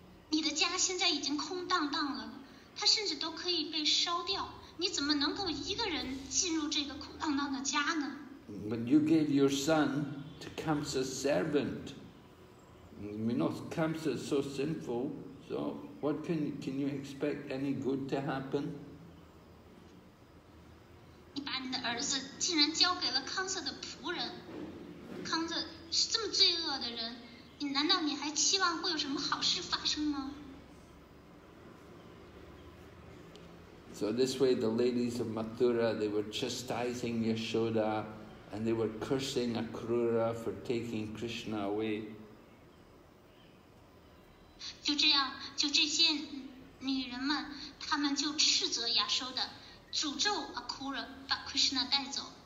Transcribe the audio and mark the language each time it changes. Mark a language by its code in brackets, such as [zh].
[zh] 你的家现在已经空荡荡了，它甚至都可以被烧掉。你怎么能够一个人进入这个空荡荡的家呢？ [en] But you gave your son to Kamsa's servant. You know, Kamsa is so sinful. So what can you expect any good to happen? [zh] 你把你的儿子竟然交给了康瑟的仆人。康瑟是这么罪恶的人，你难道你还期望会有什么好事发生吗？ [en] So this way the ladies of Mathura, they were chastising Yashoda and they were cursing Akrura for taking Krishna away. [zh] 就这样，就这些女人们，她们就斥责Yashoda，诅咒Akrura把Krishna带走。